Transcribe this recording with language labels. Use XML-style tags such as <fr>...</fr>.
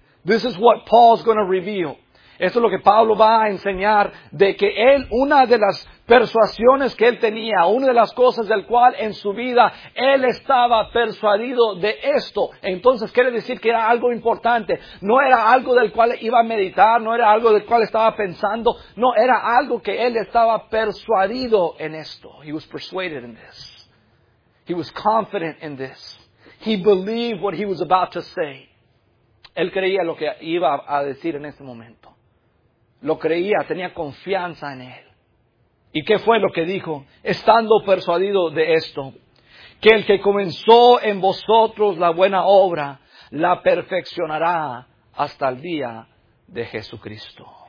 <en>This is what Paul's going to reveal.</en> <es>Esto es lo que Pablo va a enseñar, de que él, una de las persuasiones que él tenía, una de las cosas del cual en su vida él estaba persuadido de esto. Entonces quiere decir que era algo importante, no era algo del cual iba a meditar, no era algo del cual estaba pensando, no, era algo que él estaba persuadido en esto.</es> <en>He was persuaded in this. He was confident in this. He believed what he was about to say.</en> <es>Él creía lo que iba a decir en ese momento. Lo creía, tenía confianza en él. ¿Y qué fue lo que dijo? Estando persuadido de esto, que el que comenzó en vosotros la buena obra, la perfeccionará hasta el día de Jesucristo.</es>